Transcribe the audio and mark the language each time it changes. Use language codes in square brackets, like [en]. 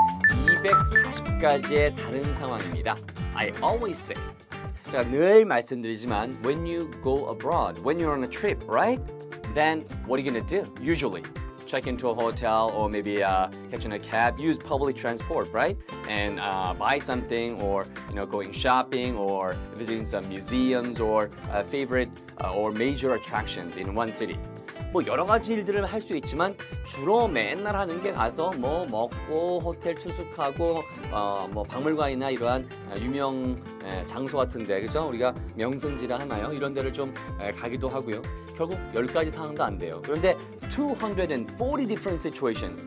[ko] 240가지의 다른 상황입니다. [en] I always say. [ko] 제가 늘 말씀드리지만 [en] when you go abroad, when you're on a trip, right? Then what are you going to do? Usually check into a hotel or maybe catch in a cab, use public transport, right? And buy something or, you know, going shopping or visiting some museums or favorite or major attractions in one city. [ko] 뭐 여러 가지 일들을 할 수 있지만 주로 맨날 하는 게 가서 뭐 먹고 호텔 투숙하고 뭐 박물관이나 이러한 유명 장소 같은 데, 그죠? 우리가 명승지라 하나요? 이런 데를 좀 가기도 하고요. 결국 10가지 상황도 안 돼요. [en] 그런데 240 different situations.